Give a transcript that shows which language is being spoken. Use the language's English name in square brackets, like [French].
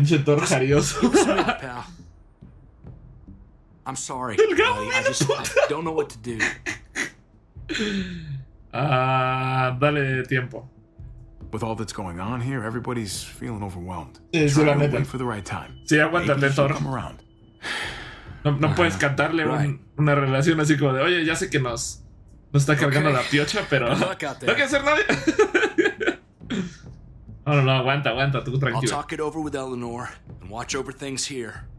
[Spanish] Pinche toro jarioso. [English] I'm sorry. Buddy. I don't know what to do. [Spanish] Dale tiempo. [English] With all that's going on here, everybody's feeling overwhelmed. [Spanish] Sí, [English] try to wait for the right time. [Spanish] Sí, aguántale, toro. [English] Come around. [Spanish] No puedes cantarle una relación así como de, oye, ya sé que nos está cargando la piocha, pero no hay que hacer nada. No, aguanta, tú tranquilo. [English] I'll talk it over with Eleanor and watch over things here.